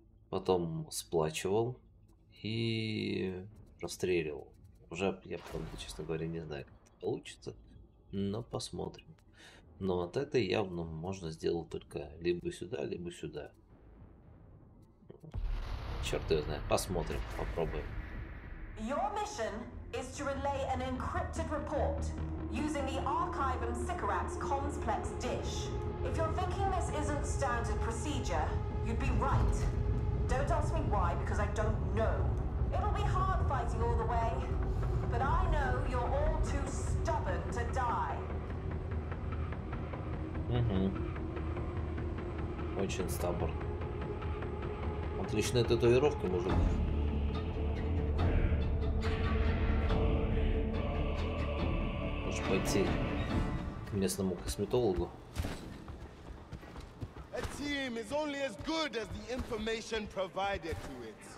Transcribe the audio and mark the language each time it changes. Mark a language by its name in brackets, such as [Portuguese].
[Russian] Потом сплачивал и расстреливал. Уже я, правда, честно говоря, не знаю, как это получится, но посмотрим. Но от этой явно можно сделать только либо сюда, либо сюда. Черт его знает, посмотрим, попробуем. [English] Your mission is to relay an encrypted report using the archive and Sycorax complex dish. If you're thinking this isn't standard procedure, you'd be right. Don't ask me why, because I don't know. It'll be hard fighting all the way, but I know you're all too stubborn to die. [Russian] Угу. Очень стабильно. Отличная татуировка, мужик. Можешь пойти к местному косметологу. [English] Is only as good as the information provided to it.